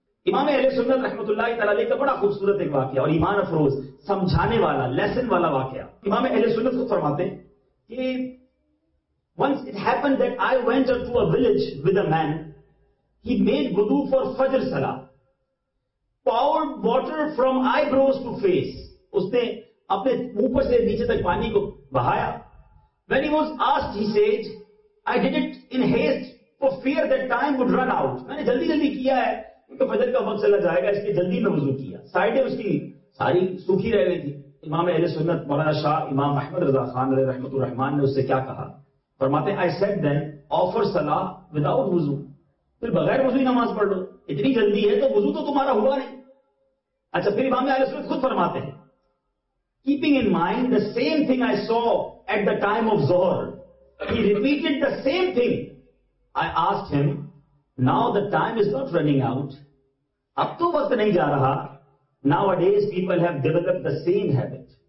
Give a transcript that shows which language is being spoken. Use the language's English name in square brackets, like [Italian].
[Hindi] इमाम अहले सुन्नत रहमतुल्लाह तआला का बड़ा खूबसूरत एक वाक्य और ईमान अफरोज समझाने वाला लेसन वाला वाक्य, इमाम अहले सुन्नत को फरमाते हैं कि [English] once it happened that I went to a village with a man, he made वुदू for फजर सला, poured water from eyebrows to face, [Hindi] उसने अपने ऊपर से नीचे तक पानी को बहाया। [English] When he was asked, he said, I did it in haste for fear that time would run out. [Hindi] मैंने जल्दी जल्दी किया है क्योंकि फजर का वक्त चला जाएगा, इसलिए जल्दी मैं वजू किया। साइडें उसकी सारी सूखी रह गई थी। इमाम अहले सुन्नत मौलाना शाह इमाम अहमद रजा खान रहमतुर्रहमान ने उससे क्या कहा, फरमाते हैं, [English] I said then, offer salah without wuzu, [Hindi] फिर बगैर वजू ही नमाज पढ़ लो, इतनी जल्दी है तो वजू तो तुम्हारा हुआ नहीं। अच्छा, फिर इमाम अहले सुन्नत खुद फरमाते हैं, [English] Keeping in mind the same thing I saw at the time of Zuhr, he repeated the same thing. I asked him, now the time is not running out. [Hindi] Ab to waqt nahi ja raha. [English] Nowadays people have developed the same habit.